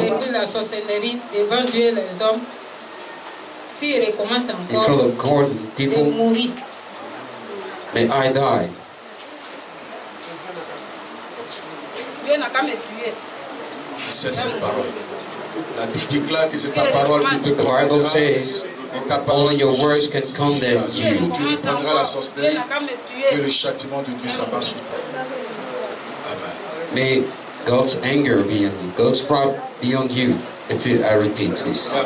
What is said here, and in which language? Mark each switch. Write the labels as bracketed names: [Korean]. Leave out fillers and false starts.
[French] si elle reprend la sorcellerie devant Dieu les hommes, si elle recommence encore, de mourir. [English] May I die. [French] Dieu n'a qu'à me tuer. C'est cette parole. La Bible déclare que c'est ta parole qui peut condamner. [English] The Bible says, only your words can condemn you. [French] Le jour où tu reprendras la sorcellerie, que le châtiment de Dieu s'abat sur toi. Amen. [English] May God's anger be on you, God's wrath be on you, if you, I repeat this.